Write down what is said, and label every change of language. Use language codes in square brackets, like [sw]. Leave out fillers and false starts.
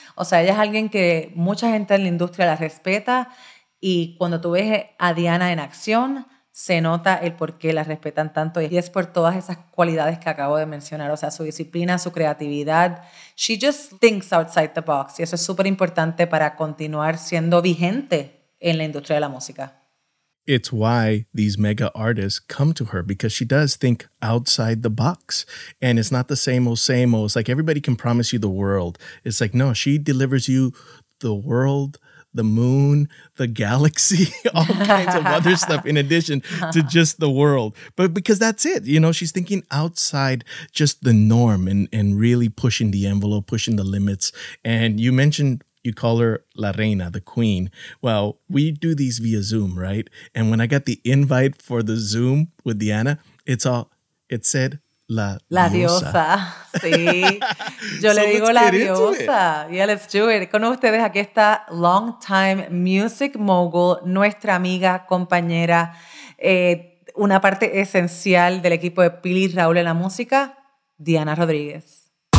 [es] O sea, ella es alguien que mucha gente en la industria la respeta y cuando tú ves a Diana en acción, se nota el por qué la respetan tanto y es por todas esas cualidades que acabo de mencionar. O sea, su disciplina, su creatividad. [en] She just thinks outside the box [es] y eso es súper importante para continuar siendo vigente en la industria de la música. [en] It's why these mega artists come to her, because she does think outside the box. And it's not the same old, same old. It's like everybody can promise you the world. It's like, no, she delivers you the world, the moon, the galaxy, all kinds of other stuff in addition to just the world. But because that's it, you know, she's thinking outside just the norm and really pushing the envelope, pushing the limits. And you mentioned you call her La Reina, the queen. Well, we do these via Zoom, right? And when I got the invite for the Zoom with Diana, it said La Diosa. [es] Sí. Yo so le digo La Diosa. [en] Yeah, let's do it. [es] Con ustedes aquí está [en] long time music mogul, [es] nuestra amiga, compañera, una parte esencial del equipo de Pili Raúl en la música, Diana Rodríguez.